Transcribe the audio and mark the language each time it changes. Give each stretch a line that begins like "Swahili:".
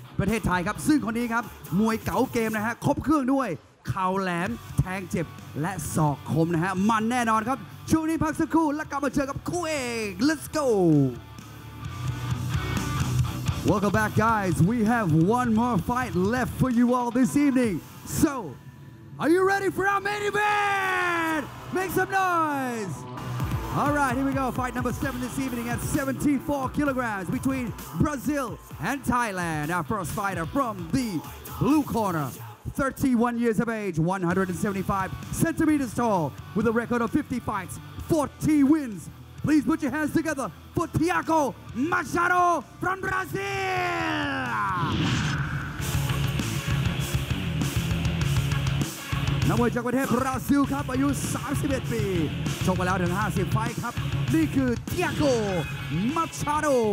Thai: เทศไทยครับซึ่งคนนี้ครับมวยเก๋าเกมนะฮะครบเครื่องด้วยเข่าแหลมแทงเจ็บและศอกคมนะฮะมันแน่นอนครับช่วงนี้พักสักครู่แล้วกลับมาเจอกับคู่เอก
English: Let's go Welcome back guys we have one more fight left for you all this evening soAre you ready for our main event? Make some noise! Alright, here we go. Fight number 7 this evening at 74 kilograms between Brazil and Thailand. Our first fighter from the blue corner. 31 years of age, 175 centimeters tall, with a record of 50 fights, 40 wins. Please put your hands together for Thiago Machado from Brazil!
Thai: นักมวยจากประเทศบราซิลครับอายุ31ปีชกมาแล้วถึง50ไฟต์ครับนี่คือเทียโกมาชาโด